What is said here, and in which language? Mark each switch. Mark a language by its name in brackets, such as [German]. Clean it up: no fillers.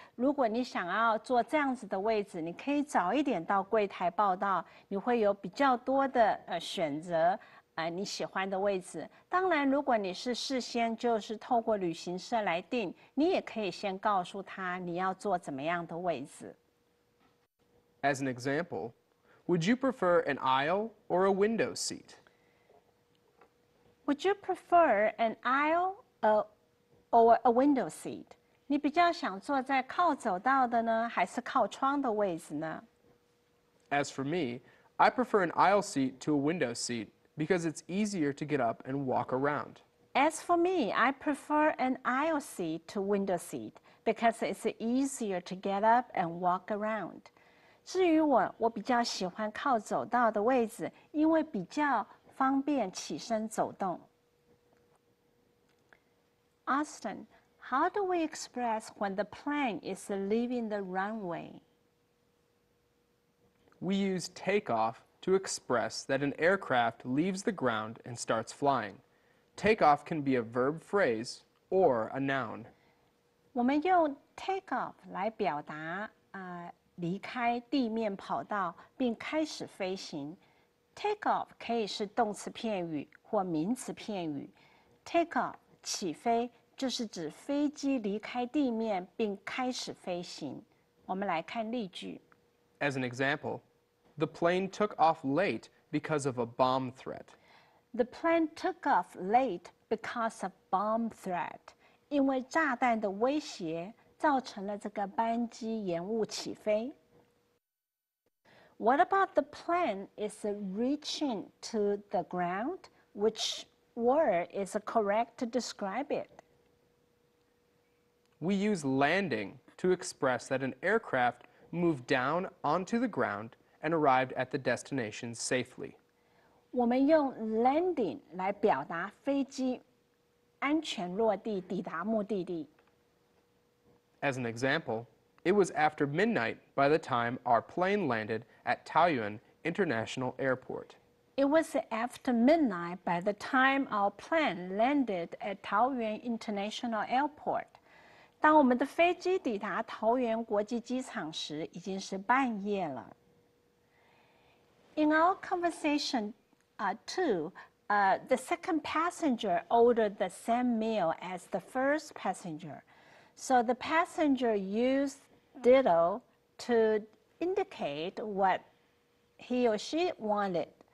[Chinese] 如果你想要坐这样子的位置，你可以早一点到柜台报到，你会有比较多的选择你喜欢的位置。当然，如果你是事先就是透过旅行社来订，你也可以先告诉他你要坐怎么样的位置。 [English] As an example. Would you prefer an aisle or a window seat? Would you prefer an aisle or a window seat? [Chinese] 你比较想坐在靠走道的呢，还是靠窗的位置呢？ [English] As for me, I prefer an aisle seat to a window seat because it's easier to get up and walk around. As for me, I prefer an aisle seat to a window seat because it's easier to get up and walk around. [Chinese] 至于我，我比较喜欢靠走道的位置，因为比较方便起身走动。 [English] Austin, how do we express when the plane is leaving the runway? We use takeoff to express that an aircraft leaves the ground and starts flying. Takeoff can be a verb phrase or a noun. [Chinese] 我们用 takeoff 来表达离开地面跑道并开始飞行 ，take off 可以是动词片语或名词片语。 take off 起飞就是指飞机离开地面并开始飞行。我们来看例句。 [English] As an example, the plane took off late because of a bomb threat. The plane took off late because of bomb threat. [Chinese] 因为炸弹的威胁。造成了这个班机延误起飞。 [English] What about the plane is reaching to the ground? Which word is correct to describe it? We use landing to express that an aircraft moved down onto the ground and arrived at the destination safely. [Chinese] 我们用 landing 来表达飞机安全落地，抵达目的地。 [English] As an example, it was after midnight by the time our plane landed at Taoyuan International Airport. It was after midnight by the time our plane landed at Taoyuan International Airport. [Chinese] 当我们的飞机抵达桃园国际机场时，已经是半夜了。 [English] In our conversation, the second passenger ordered the same meal as the first passenger. So the passenger used ditto to indicate what he or she wanted.